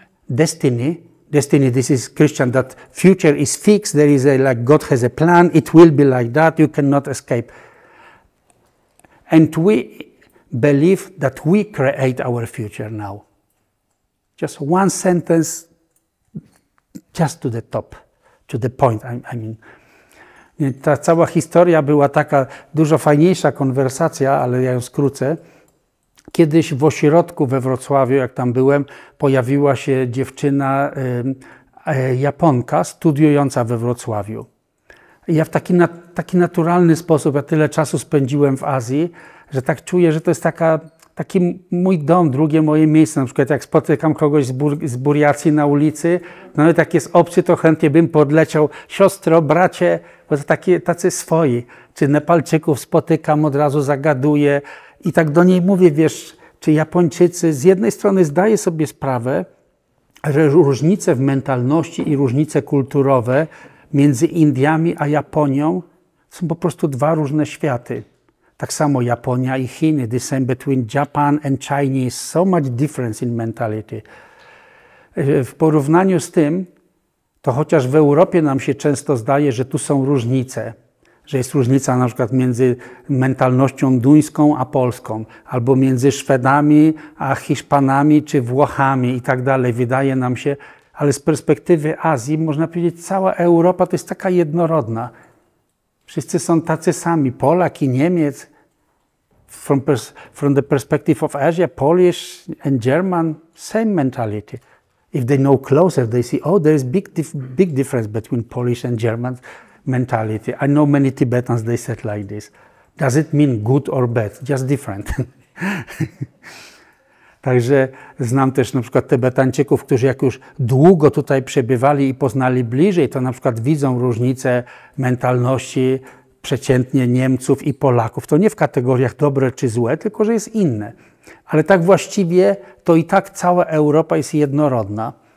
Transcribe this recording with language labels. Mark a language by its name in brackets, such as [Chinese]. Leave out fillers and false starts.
[English] Destiny, this is Christian, that future is fixed, there is a, like, God has a plan, it will be like that, you cannot escape. And we believe that we create our future now. Just one sentence, just to the top, to the point, I mean. [Polish] Ta cała historia była taka, dużo fajniejsza konwersacja, ale ja ją skrócę. Kiedyś w ośrodku we Wrocławiu, jak tam byłem, pojawiła się dziewczyna, Japonka, studiująca we Wrocławiu. I ja w taki naturalny sposób, ja tyle czasu spędziłem w Azji, że tak czuję, że to jest taki mój dom, drugie moje miejsce. Na przykład jak spotykam kogoś z Buriacji na ulicy, nawet jak jest obcy, to chętnie bym podleciał. Siostro, bracie, bo to tacy swoi. Czy Nepalczyków spotykam, od razu zagaduję. I tak do niej mówię, wiesz, czy Japończycy. Z jednej strony zdaję sobie sprawę, że różnice w mentalności i różnice kulturowe między Indiami a Japonią są po prostu dwa różne światy. Tak samo Japonia i Chiny, [English] the same between Japan and Chinese, so much difference in mentality. [Polish] W porównaniu z tym, to chociaż w Europie nam się często zdaje, że tu są różnice, że jest różnica na przykład między mentalnością duńską a polską, albo między Szwedami a Hiszpanami czy Włochami i tak dalej, wydaje nam się, ale z perspektywy Azji można powiedzieć, cała Europa to jest taka jednorodna. Wszyscy są tacy sami, Polak i Niemiec. [English] from the perspective of Asia, Polish and German, same mentality. If they know closer, they see, oh, there is big big difference between Polish and German mentality. I know many Tibetans, they said like this. Does it mean good or bad? Just different. [Polish] Także znam też na przykład Tybetańczyków, którzy jak już długo tutaj przebywali i poznali bliżej, to na przykład widzą różnicę mentalności przeciętnie Niemców i Polaków. To nie w kategoriach dobre czy złe, tylko że jest inne. Ale tak właściwie to i tak cała Europa jest jednorodna.